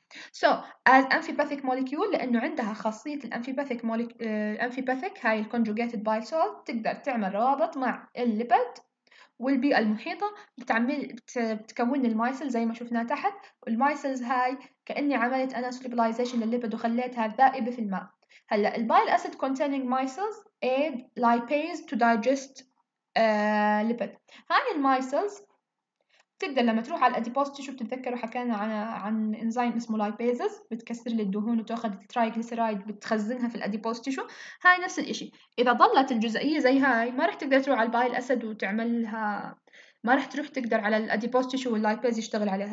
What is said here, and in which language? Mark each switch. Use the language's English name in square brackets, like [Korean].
[English] So as amphipathic molecule، [Arabic] لأنه عندها خاصية الامفيباثيك الامفيباثيك هاي الconjugated bile salt، تقدر تعمل روابط مع الليبد والبيئة المحيطة، بتكون المايسل زي ما شفنا تحت. المايسلز هاي كأني عملت أنا solubilization للليبد وخليتها ذائبة في الماء. هلأ البايل أسيد [English] containing micelles aid lipase to digest lipid. [Arabic] هاي المايسلز تقدر لما تروح على الأديبوس تيشو، بتتذكروا حكينا عن إنزيم اسمه لايبيزز، بتكسر للدهون وتأخذ الترايغليسرايد بتخزنها في الأديبوس تيشو. هاي نفس الإشي، إذا ضلت الجزئية زي هاي ما رح تقدر تروح على البايل أسد وتعملها، ما رح تروح تقدر على الأديبوس تيشو واللايبيز يشتغل عليها.